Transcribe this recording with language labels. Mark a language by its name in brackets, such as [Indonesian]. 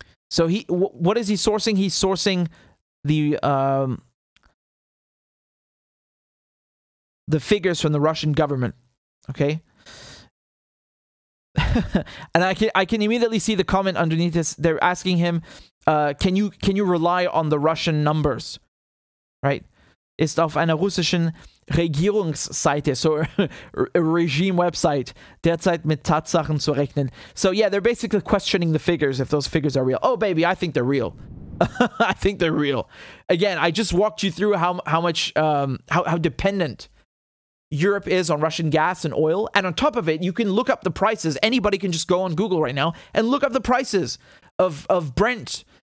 [English] So what is he sourcing? He's sourcing the figures from the Russian government. Okay. And I can immediately see the comment underneath this. They're asking him, can you rely on the Russian numbers? Right? [German] Ist auf einer russischen Regierungsseite, [English] so a regime website, [German] derzeit mit Tatsachen zu rechnen. [English] So yeah, they're basically questioning the figures, if those figures are real. Oh baby, I think they're real. I think they're real. Again, I just walked you through how dependent Europe is on Russian gas and oil. And on top of it, you can look up the prices. Anybody can just go on Google right now and look up the prices of Brent.